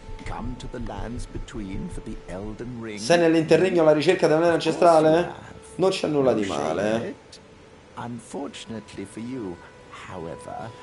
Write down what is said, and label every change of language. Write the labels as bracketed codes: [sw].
[en] Come to the lands between for the Elden Ring. [it] Sei nell'interregno alla ricerca della nera ancestrale? Non c'è nulla di male. [en] Unfortunately for you, however.